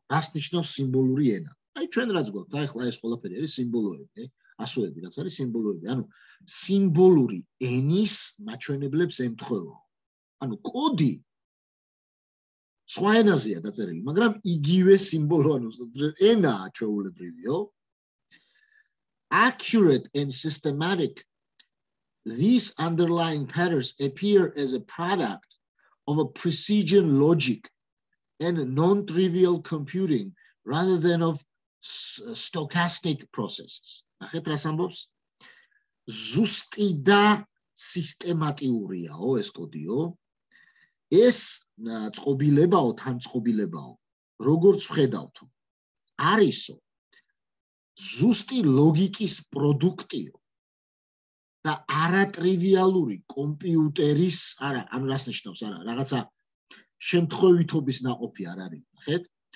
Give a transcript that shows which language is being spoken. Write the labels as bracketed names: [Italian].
[Georgian] რას ნიშნავს სიმბოლური ენა? აი ჩვენ რაც გვაქვს, აი ხლა ეს ყველაფერი არის სიმბოლოები, ასოები რაც არის სიმბოლოები, ანუ სიმბოლური ენის მაჩვენებლებს ემთხვევა. ანუ კოდი სხვა ენაზეა დაწერილი, მაგრამ იგივე სიმბოლო, ანუ ენაა ჩვეულებრივიო. [English] Accurate and systematic, these underlying patterns appear as a product of a precision logic and non-trivial computing rather than of stochastic processes. [Georgian] ახეთ რას ამბობს? ზუსტი და სისტემატიურიაო ეს კოდიო. ეს წყობილებაო, თანწყობილებაო, როგორც ხედავთ, არისო ზუსტი ლოგიკის პროდუქტიო და არატრივიალური კომპიუტერის, არა, ანუ რას ნიშნავს, არა, რაღაცა შემთხვევითობის ნაყოფი არ არის, ხეთ?